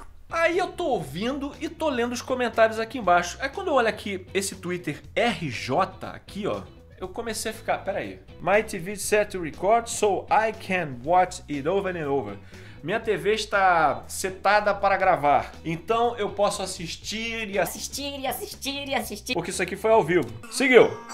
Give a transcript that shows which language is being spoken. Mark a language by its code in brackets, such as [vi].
[pt] Aí eu tô ouvindo e tô lendo os comentários aqui embaixo. Aí quando eu olho aqui esse Twitter RJ aqui, ó, eu comecei a ficar, peraí. [en] My TV set to record so I can watch it over and over. [pt] Minha TV está setada para gravar, então eu posso assistir e assistir e assistir e assistir. Porque isso aqui foi ao vivo. Seguiu.